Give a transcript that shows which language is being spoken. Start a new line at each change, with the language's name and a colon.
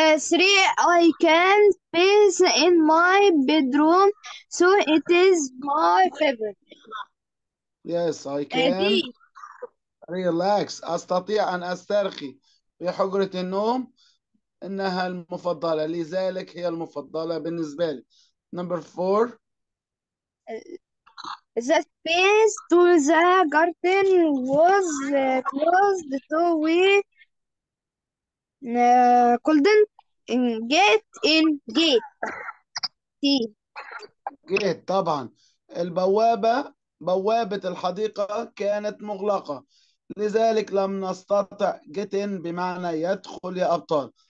English: Three, I can space in my bedroom, so it is my favorite. Yes, I can relax.
Arabic: أستطيع أن أسترخي في حجرة النوم. إنها المفضلة، لذلك هي المفضلة بالنسبة لي.
English: Number four. The space to the garden was closed, so we couldn't get in gate.
Arabic: Gate, طبعا. البوابة، بوابة الحديقة كانت مغلقة، لذلك لم نستطع
English: get in
Arabic: بمعنى يدخل يا أبطال.